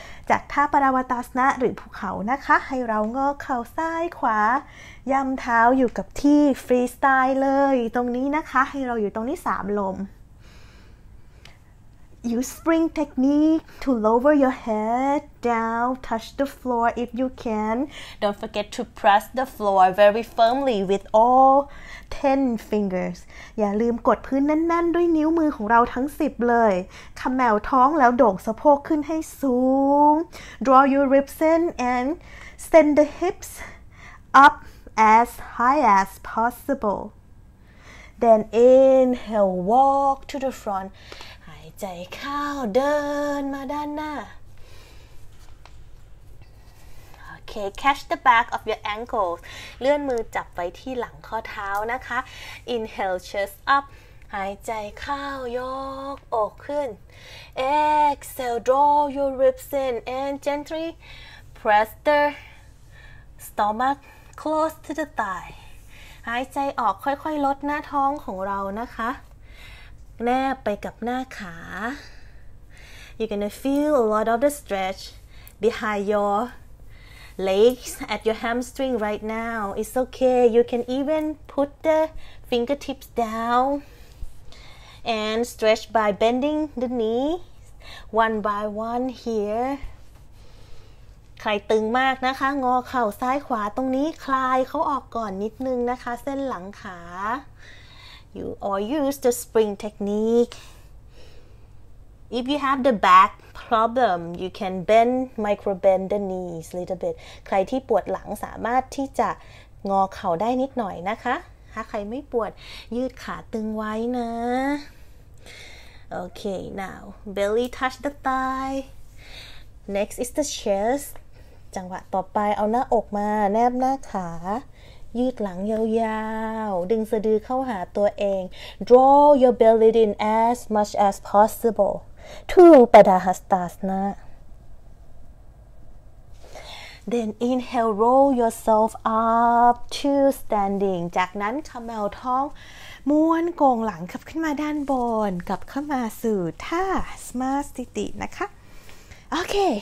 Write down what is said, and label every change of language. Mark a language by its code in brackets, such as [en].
[th] จากท่าปาราวตาสนะหรือภูเขานะคะให้เราเงอเข่าซ้ายขวายำเท้าอยู่กับที่ freestyle เลยตรงนี้นะคะให้เราอยู่ตรงนี้3ลม [en] Use spring technique to lower your head down, touch the floor if you can. Don't forget to press the floor very firmly with all 10 fingers. [th] อย่าลืมกดพื้นแน่นๆด้วยนิ้วมือของเราทั้ง10เลยขมแมวท้องแล้วโด่งสะโพกขึ้นให้สูง [en] Draw your ribs in and send the hips up as high as possible. Then inhale, walk to the front. [th] ใจเข้าเดินมาด้านหน้า [en] Okay, catch the back of your ankles [th] เลื่อนมือจับไว้ที่หลังข้อเท้านะคะ [en] Inhale, chest up [th] หายใจเข้ายกอกขึ้น [en] Exhale, draw your ribs in and gently press the stomach close to the thigh [th] หายใจออกค่อยๆลดหน้าท้องของเรานะคะแนบไปกับหน้าขา [en] You're gonna feel a lot of the stretch behind your legs at your hamstring right now. It's okay. You can even put the fingertips down and stretch by bending the knee one by one here. [th] ใครตึงมากนะคะงอเข่าซ้ายขวาตรงนี้คลายเขาออกก่อนนิดนึงนะคะเส้นหลังขา [en] You all use the spring technique. If you have the back problem, you can bend, micro bend the knees a little bit. [th] ใครที่ปวดหลังสามารถที่จะงอเข่าได้นิดหน่อยนะคะถ้าใครไม่ปวดยืดขาตึงไว้นะ [en] Okay, now belly touch the thigh. Next is the chest. [th] จังหวะต่อไปเอาหน้าอกมาแนบหน้าขายืดหลังยาวๆดึงสะดือเข้าหาตัวเอง [en] Draw your belly in as much as possible to Padmasana Then inhale roll yourself up to standing [th] จากนั้นขมวดท้องม้วนโก่งหลังกลับขึ้นมาด้านบนกลับเข้ามาสู่ท่า Smart Sthiti นะคะโอเค